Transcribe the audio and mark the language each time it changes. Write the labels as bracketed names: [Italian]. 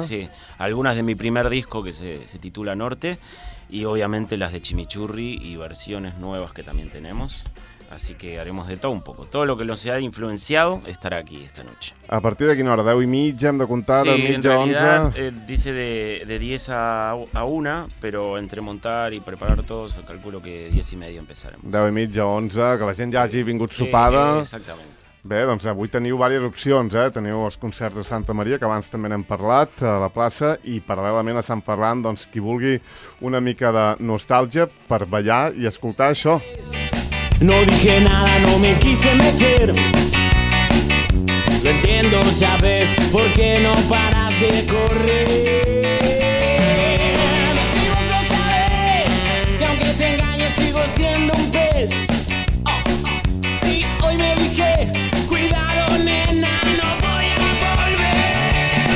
[Spanish] Sí, algunas de mi primer disco que se titula Norte y obviamente las de Chimichurri y versiones nuevas que también tenemos, así que haremos de todo un poco, todo lo que nos haya influenciado estará aquí esta noche. [Catalan] ¿A partir de quina hora? ¿10 y mitja? ¿Hem de contar? Sí, mitja, [Spanish] en realidad dice de 10 a 1, pero entre montar y preparar todo, calculo que 10 y media empezaremos. [Catalan] 10 y mitja, 11, que la gent ja hagi vingut sopada. [Spanish] Sí, exactamente. [Catalan] Bé, doncs avui teniu diverses opcions, eh? Teniu els concerts de Santa Maria, que abans també n'hem parlat, a la plaça, i paral·lelament a Sant Ferran, doncs qui vulgui una mica de nostàlgia per ballar i escoltar això. [Spanish] No dije nada, no me quise meter. Lo entiendo, ya ves, ¿por qué no paras de correr? Si vos lo sabes, que aunque te engañes sigo siendo un pez. Si hoy me dije, cuidado nena, no voy a volver.